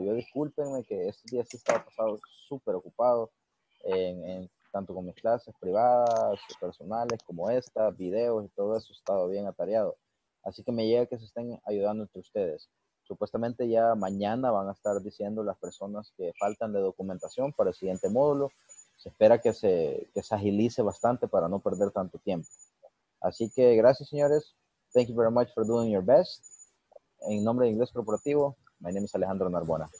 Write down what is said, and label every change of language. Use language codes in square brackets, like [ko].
[es] Yo discúlpenme que este día sí estaba pasado súper ocupado en tanto con mis clases privadas, personales, como esta, videos y todo eso. He estado bien atareado. Así que me llega que se estén ayudando entre ustedes. Supuestamente ya mañana van a estar diciendo las personas que faltan de documentación para el siguiente módulo. Se espera que se agilice bastante para no perder tanto tiempo. Así que gracias, señores. [en] Thank you very much for doing your best. [es] En nombre de Inglés Corporativo, [en] my name is [es] Alejandro Narbona.